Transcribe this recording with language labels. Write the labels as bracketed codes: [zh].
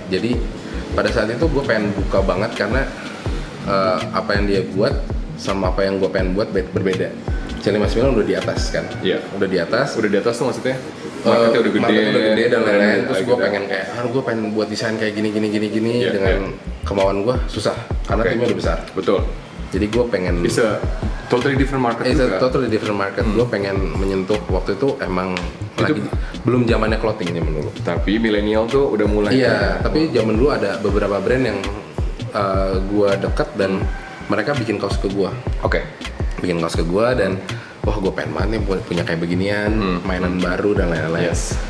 [id] Jadi pada saat itu gue pengen buka banget, karena apa yang dia buat sama apa yang gue pengen buat berbeda. C59 udah di atas kan? Iya. Udah di atas. Udah di atas tuh maksudnya? Marketnya udah gede. Marketnya udah gede dan lain-lain. Terus gue pengen kayak, gue pengen buat desain kayak gini, yeah, dengan kemauan gue, susah. Karena timnya udah besar. Betul. Jadi gue pengen... [en] It's a totally different market it's [id] juga. [en] It's a totally different market. [id] Gue pengen menyentuh, waktu itu emang itu lagi, belum zamannya clothing ini menurut. Tapi milenial tuh udah mulai. Iya, tapi zaman dulu ada beberapa brand yang gue deket dan mereka bikin kaos ke gue. Oke. Bikin kaos ke gue dan wah gue pengen banget nih punya kayak beginian, mainan baru dan lain-lain. Yes.